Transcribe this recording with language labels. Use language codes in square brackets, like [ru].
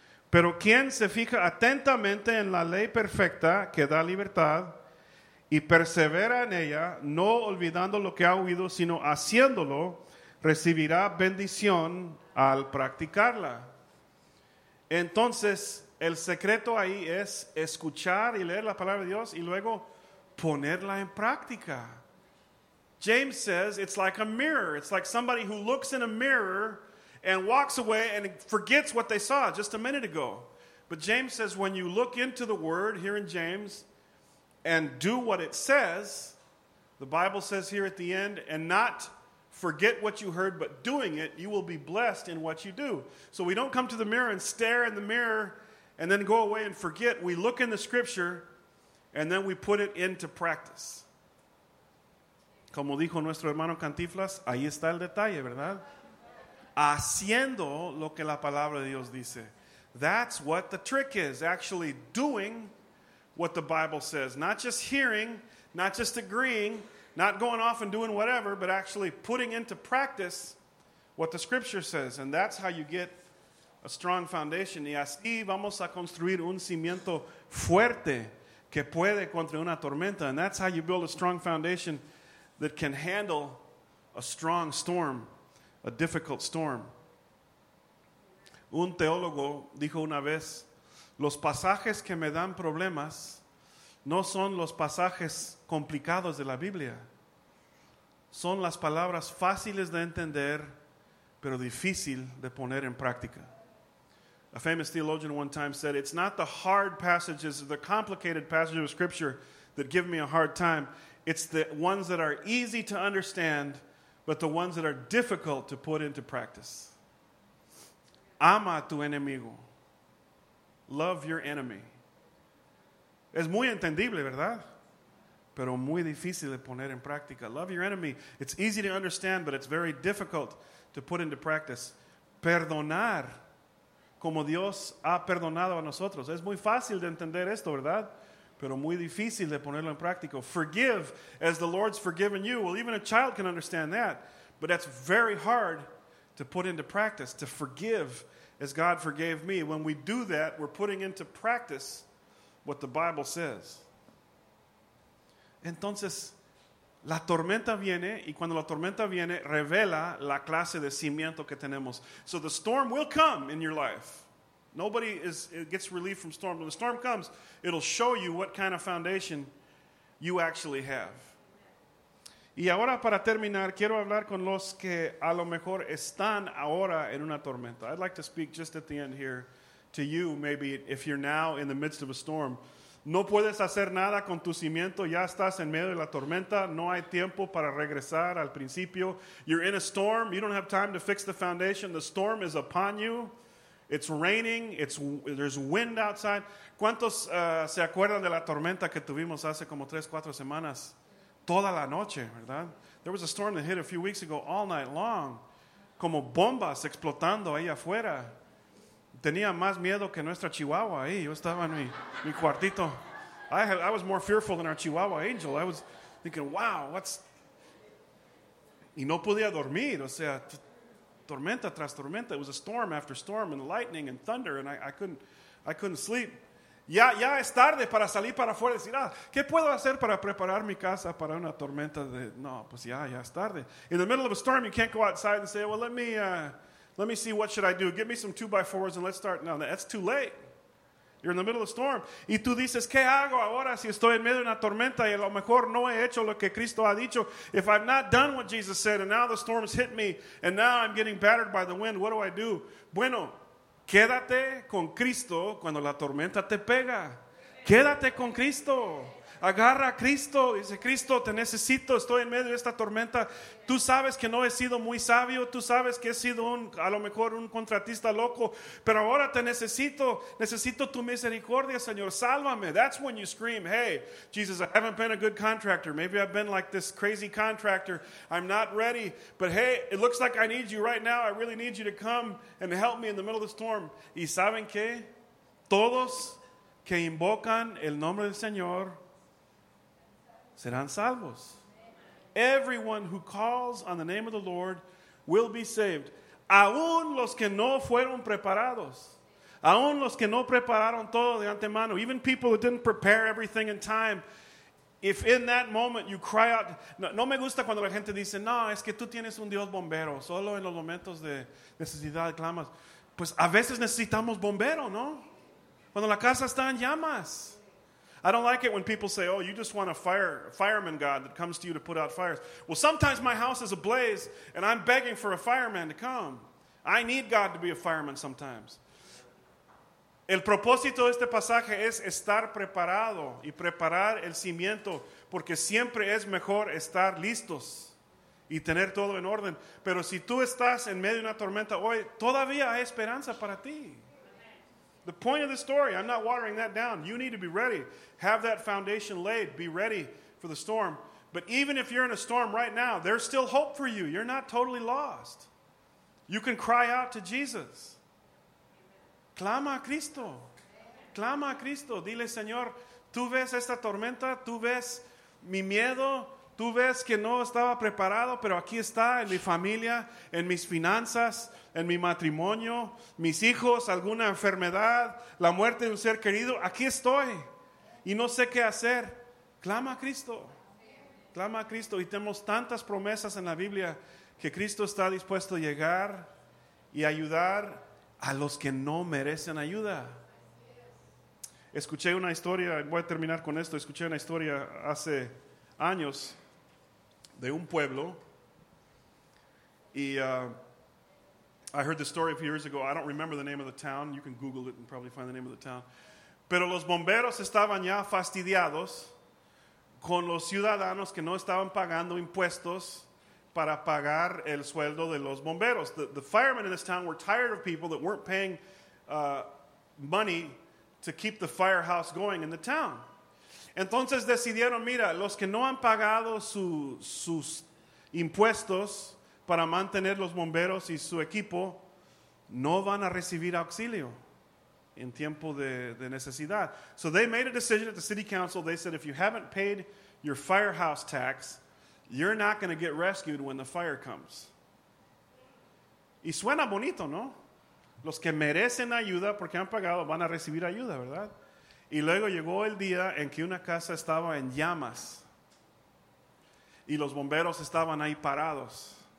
[es] Pero quien se fija atentamente en la ley perfecta que da libertad y persevera en ella, no olvidando lo que ha oído, sino haciéndolo, recibirá bendición al practicarla. Entonces, el secreto ahí es escuchar y leer la palabra de Dios y luego ponerla en práctica. [en] James says it's like a mirror. It's like somebody who looks in a mirror and walks away and forgets what they saw just a minute ago. But James says when you look into the word here in James and do what it says, the Bible says here at the end, and not forget what you heard, but doing it, you will be blessed in what you do. So we don't come to the mirror and stare in the mirror and then go away and forget. We look in the scripture and then we put it into practice. [es] Como dijo nuestro hermano Cantiflas, ahí está el detalle, ¿verdad? Haciendo lo que la palabra de Dios dice. [en] That's what the trick is, actually doing what the Bible says. Not just hearing, not just agreeing, not going off and doing whatever, but actually putting into practice what the scripture says. And that's how you get a strong foundation. [es] Y así vamos a construir un cimiento fuerte que puede contra una tormenta. [en] And that's how you build a strong foundation that can handle a strong storm, a difficult storm. [es] Un teólogo dijo una vez, los pasajes que me dan problemas no son los pasajes complicados de la Biblia. Son las palabras fáciles de entender, pero difícil de poner en práctica. [en] A famous theologian one time said, it's not the hard passages, the complicated passages of Scripture that give me a hard time. It's the ones that are easy to understand, but the ones that are difficult to put into practice. [es] Ama a tu enemigo. [en] Love your enemy. [es] Es muy entendible, ¿verdad? Pero muy difícil de poner en práctica. [en] Love your enemy. It's easy to understand, but it's very difficult to put into practice. [es] Perdonar como Dios ha perdonado a nosotros. Es muy fácil de entender esto, ¿verdad? Pero muy difícil de ponerlo en práctico. [en] Forgive as the Lord's forgiven you. Well, even a child can understand that. But that's very hard to put into practice, to forgive as God forgave me. When we do that, we're putting into practice what the Bible says. [es] Entonces, la tormenta viene, y cuando la tormenta viene, revela la clase de cimiento que tenemos. [en] So the storm will come in your life. Nobody is gets relief from storms. When the storm comes, it'll show you what kind of foundation you actually have. [es] Y ahora para terminar, quiero hablar con los que a lo mejor están ahora en una tormenta. [en] I'd like to speak just at the end here to you, maybe if you're now in the midst of a storm. [es] No puedes hacer nada con tu cimiento, ya estás en medio de la tormenta, no hay tiempo para regresar al principio. [en] You're in a storm, you don't have time to fix the foundation, the storm is upon you. It's raining, there's wind outside. [es] ¿Cuántos se acuerdan de la tormenta que tuvimos hace como 3-4 semanas? Toda la noche, ¿verdad? [en] There was a storm that hit a few weeks ago all night long. [es] Como bombas explotando ahí afuera. Tenía más miedo que nuestra Chihuahua ahí. Yo estaba en mi cuartito. [en] I was more fearful than our Chihuahua angel. I was thinking, wow, what's... [es] Y no podía dormir. O sea, tormenta tras tormenta. [en] It was a storm after storm and lightning and thunder. And I couldn't sleep. [es] Ya es tarde para salir para afuera y decir, ah, ¿qué puedo hacer para preparar mi casa para una tormenta de... No, pues ya es tarde. [en] In the middle of a storm, you can't go outside and say, well, let me see what should I do. Give me some 2x4s and let's start. No, that's too late. You're in the middle of a storm. [es] Y tú dices, ¿qué hago ahora si estoy en medio de una tormenta y a lo mejor no he hecho lo que Cristo ha dicho? [en] If I've not done what Jesus said and now the storm's hit me and now I'm getting battered by the wind, what do I do? [es] Bueno, quédate con Cristo cuando la tormenta te pega. Quédate con Cristo. Agarra a Cristo. Dice, Cristo, te necesito. Estoy en medio de esta tormenta. Tú sabes que no he sido muy sabio. Tú sabes que he sido a lo mejor un contratista loco. Pero ahora te necesito. Necesito tu misericordia, Señor. Sálvame. [en] That's when you scream, hey, Jesus, I haven't been a good contractor. Maybe I've been like this crazy contractor. I'm not ready. But hey, it looks like I need you right now. I really need you to come and help me in the middle of the storm. [es] ¿Y saben qué? Todos que invocan el nombre del Señor serán salvos. [en] Everyone who calls on the name of the Lord will be saved. [es] Aún los que no fueron preparados. Aún los que no prepararon todo de antemano. [en] Even people who didn't prepare everything in time. If in that moment you cry out. [es] No me gusta cuando la gente dice, no, es que tú tienes un Dios bombero. Solo en los momentos de necesidad clamas. Pues a veces necesitamos bombero, ¿no? Cuando la casa está en llamas. [en] I don't like it when people say, oh, you just want a fireman God that comes to you to put out fires. Well, sometimes my house is ablaze and I'm begging for a fireman to come. I need God to be a fireman sometimes. [es] El propósito de este pasaje es estar preparado y preparar el cimiento porque siempre es mejor estar listos y tener todo en orden. Pero si tú estás en medio de una tormenta hoy, todavía hay esperanza para ti. [en] The point of the story, I'm not watering that down. You need to be ready. Have that foundation laid. Be ready for the storm. But even if you're in a storm right now, there's still hope for you. You're not totally lost. You can cry out to Jesus. [es] Clama a Cristo. Clama a Cristo. Dile, Señor, tú ves esta tormenta, tú ves mi miedo, tú ves que no estaba preparado, pero aquí está en mi familia, en mis finanzas, en mi matrimonio, mis hijos, alguna enfermedad, la muerte de un ser querido. Aquí estoy y no sé qué hacer. Clama a Cristo. Clama a Cristo. Y tenemos tantas promesas en la Biblia que Cristo está dispuesto a llegar y ayudar a los que no merecen ayuda. Escuché una historia, voy a terminar con esto, escuché una historia hace años de un pueblo. [en] Y I heard the story a few years ago. I don't remember the name of the town. You can Google it and probably find the name of the town. [es] Pero los bomberos estaban ya fastidiados con los ciudadanos que no estaban pagando impuestos para pagar el sueldo de los bomberos. [en] The firemen in this town were tired of people that weren't paying money to keep the firehouse going in the town. [es] Entonces decidieron, mira, los que no han pagado sus impuestos para mantener los bomberos y su equipo, no van a recibir auxilio en tiempo de necesidad. [en] So they made a decision at the city council. They said, if you haven't paid your firehouse tax, you're not going to get rescued when the fire comes. [es] Y suena bonito, ¿no? Los que merecen ayuda porque han pagado van a recibir ayuda, ¿verdad? Y luego llegó el día en que una casa estaba en llamas y los bomberos estaban ahí parados.